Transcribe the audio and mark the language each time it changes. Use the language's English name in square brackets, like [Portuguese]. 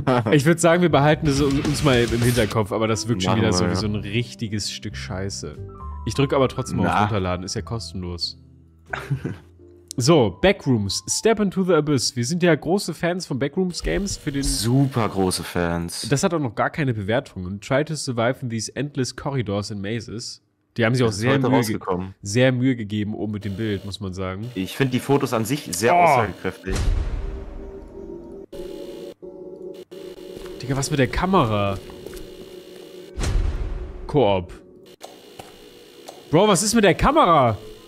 [German] Ich würde sagen, wir behalten das uns mal im Hinterkopf, aber das wirkt schon wieder so wie so ein richtiges Stück Scheiße. Ich drücke aber trotzdem mal auf Runterladen, ist ja kostenlos. So, Backrooms, Step into the Abyss. Wir sind ja große Fans von Backrooms-Games. Super große Fans. Das hat auch noch gar keine Bewertungen. [English] Try to survive in these endless corridors and mazes. [German] Die haben sich auch sehr Mühe gegeben, oben mit dem Bild, muss man sagen. Ich finde die Fotos an sich sehr aussagekräftig. Digga, was mit der Kamera? Koop. Bro, was ist mit der Kamera?